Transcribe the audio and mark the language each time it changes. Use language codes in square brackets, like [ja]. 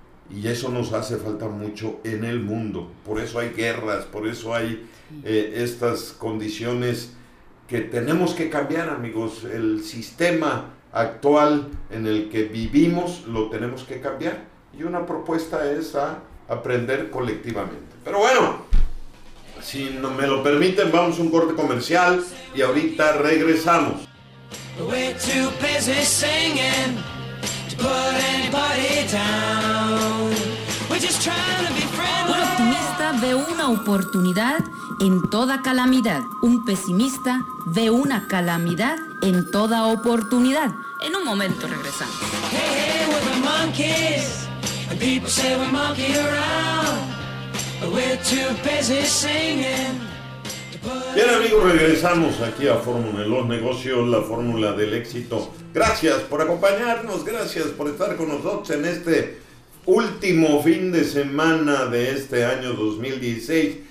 [es] Y eso nos hace falta mucho en el mundo. Por eso hay guerras, por eso hay estas condiciones que tenemos que cambiar, amigos. El sistema actual en el que vivimos lo tenemos que cambiar. Y una propuesta es a aprender colectivamente. Pero bueno, si no me lo permiten, vamos a un corte comercial y ahorita regresamos. [en] We're too busy singing to put anybody down. We're just trying to be friendly. [es] Un optimista ve una oportunidad en toda calamidad. Un pesimista ve una calamidad en toda oportunidad. En un momento regresamos. [en] Hey, hey, we're the monkeys. And people say we're monkey around. We're too busy singing. [es] Bien, amigos, regresamos aquí a Fórmula de los Negocios, la fórmula del éxito. Gracias por acompañarnos, gracias por estar con nosotros en este último fin de semana de este año 2016.